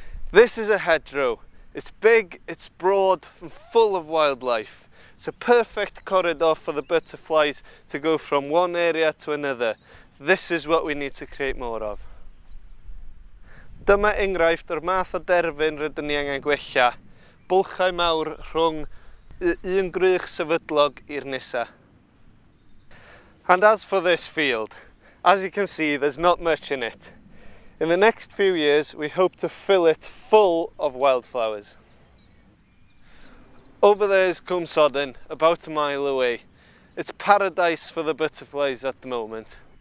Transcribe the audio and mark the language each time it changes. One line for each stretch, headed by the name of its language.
English: This is a hedgerow. It's big, it's broad and full of wildlife. It's a perfect corridor for the butterflies to go from one area to another. This is what we need to create more of.
Welsh: Dyma enghraifft o'r math o derfyn rydyn ni angen gwella. Bwlchau mawr rhwng un grych sefydlog i'r nesa.
English: And as for this field, as you can see, there's not much in it. In the next few years, we hope to fill it full of wildflowers. Over there is Cwm Soden, about a mile away. It's paradise for the butterflies at the moment.